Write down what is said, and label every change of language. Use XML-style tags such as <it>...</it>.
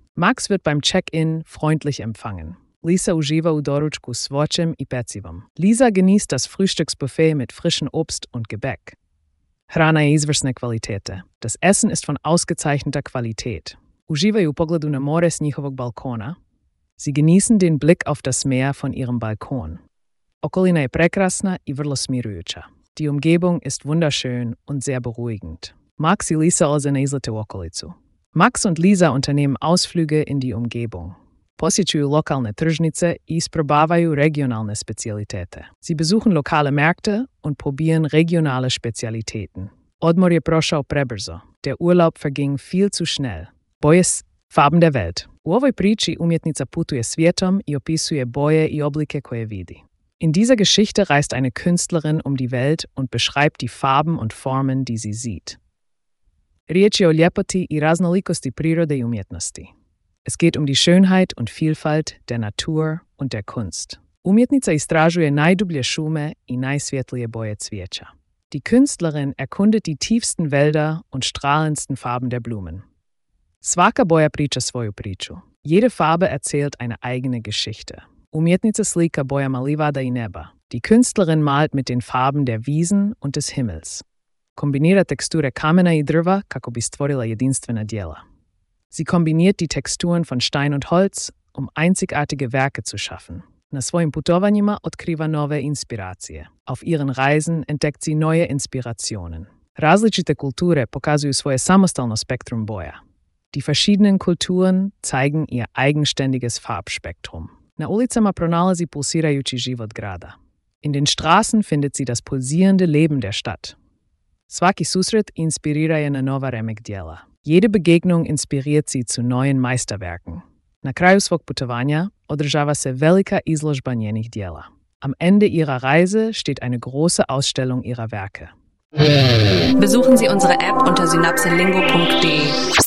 <de>Max wird beim Check-in freundlich empfangen.</de> <hr>Lisa uživa u doručku s voćem i pecivom.</hr> <de>Lisa genießt das Frühstücksbuffet mit frischem Obst und Gebäck.</de> <hr>Hrana je izvrsne kvalitete.</hr> <de>Das Essen ist von ausgezeichneter Qualität.</de> <hr>Uživaju pogledu na more s njihovog balkona.</hr> <de>Sie genießen den Blick auf das Meer von ihrem Balkon.</de> <hr>Okolina je prekrasna i vrlo smirujuća.</hr> <de>Die Umgebung ist wunderschön und sehr beruhigend.</de> <hr>Max i Lisa ozene izlete u okolicu.</hr> <de>Max und Lisa unternehmen Ausflüge in die Umgebung.</de> <hr>Posjećuju lokalne tržnice i isprobavaju regionalne specijalitete.</hr> <de>Sie besuchen lokale Märkte und probieren regionale Spezialitäten.</de> <hr>Odmor je prošao prebrzo.</hr> <de>Der Urlaub verging viel zu schnell. Boje s farben der Welt.</de> <hr>U ovoj priči umjetnica putuje svijetom i opisuje boje i oblike koje vidi.</hr> <de>In dieser Geschichte reist eine Künstlerin um die Welt und beschreibt die Farben und Formen, die sie sieht.</de> <hr>Riječ je o ljepoti i raznolikosti prirode i umjetnosti.</hr> <de>Es geht um die Schönheit und Vielfalt der Natur und der Kunst.</de> <hr>Umjetnica istražuje najdublje šume i najsvjetlije boje cvijeća.</hr> <de>Die Künstlerin erkundet die tiefsten Wälder und strahlendsten Farben der Blumen.</de> <hr>Svaka boja priča svoju priču.</hr> <de>Jede Farbe erzählt eine eigene Geschichte.</de> <hr>Umjetnica slika bojama livada i neba.</hr> <de>Die Künstlerin malt mit den Farben der Wiesen und des Himmels.</de> <hr>Kombinira teksture kamena i drva kako bi stvorila jedinstvena djela.</hr> <de>Sie kombiniert die Texturen von Stein und Holz, um einzigartige Werke zu schaffen.</de> <hr>Na svojim putovanjima otkriva nove inspiracije.</hr> <de>Auf ihren Reisen entdeckt sie neue Inspirationen.</de> <hr>Različite kulture pokazuju svoje samostalno spektrum boja.</hr> <de>Die verschiedenen Kulturen zeigen ihr eigenständiges Farbspektrum.</de> <hr>Na ulicama pronalazi pulsirajući život grada.</hr> <de>In den Straßen findet sie das pulsierende Leben der Stadt.</de> <hr>Svaki susret inspirira je na nova remek djela.</hr> <de>Jede Begegnung inspiriert sie zu neuen Meisterwerken.</de> <hr>Na kraju svog putovanja održava se velika izložba njenih djela.</hr> <de>Am Ende ihrer Reise steht eine große Ausstellung ihrer Werke. Besuchen Sie unsere App unter synapselingo.de.</de>